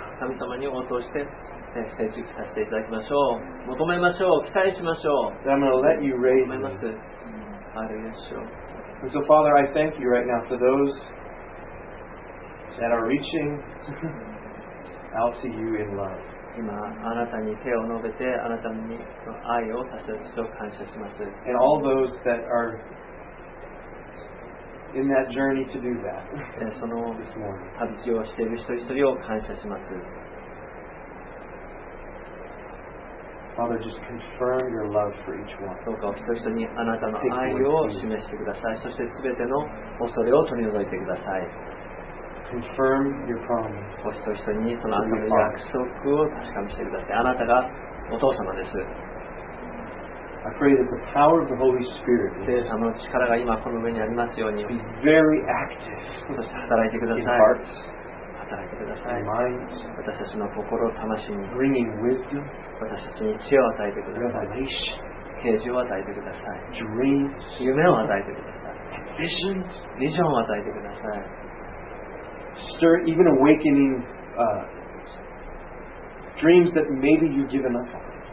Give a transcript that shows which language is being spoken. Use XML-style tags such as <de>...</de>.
<ja>神様に応答して成熟させていただきましょう。求めましょう。期待しましょう。</ja> <en>I'm going to let you raise</en> <ja>me. ありがとうございます。</ja> <en>So Father, I thank you right now for those that are reaching out to you in love.</en> <ja>今あなたに手を伸べてあなたに愛を差し出すと感謝します。</ja> <en>And all those that are in that journey to do that.</en> <ja>その旅路をしている人一人を感謝します。</ja> <en>Father, just confirm your love for each one.</en> <ja>どうか一人一人にあなたの愛を示してください。そして全ての恐れを取り除いてください。</ja> <en>Confirm your promise.</en> <ja>お一人一人にそのあなたの約束を確かめてください。あなたがお父様です。</ja> <en>I pray that the power of the Holy Spirit,</en> <ja>聖霊様の力が今この上にありますように、</ja> <en>be very active.</en> <ja>そして働いてください。</ja> <en>In hearts,</en> <ja>働いてください。</ja> <en>Minds,</en> <ja>私たちの心を魂に、</ja> <en>bringing wisdom,</en> <ja>私たちに知恵を与えてください。</ja> <en>Revelation,</en> <ja>啓示を与えてください。</ja> <en>Dreams,</en> <ja>夢を与えてください。</ja> <en>Visions,</en> <ja>ビジョンを与えてください。</ja> <en>Stir even awakening dreams that maybe you've given up on.</en>